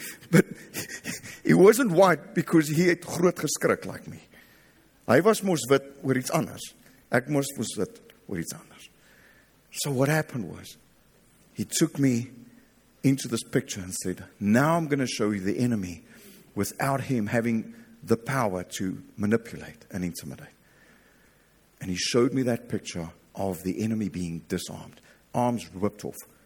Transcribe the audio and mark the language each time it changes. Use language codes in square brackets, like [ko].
[en] But he wasn't white because he had [af] groot geskrik [en] like me. [af] Hy was mos wit oor iets anders. Ek mos was wit oor iets anders. [en] So what happened was, he took me into this picture and said, now I'm going to show you the enemy without him having the power to manipulate and intimidate. And he showed me that picture of the enemy being disarmed, arms ripped off.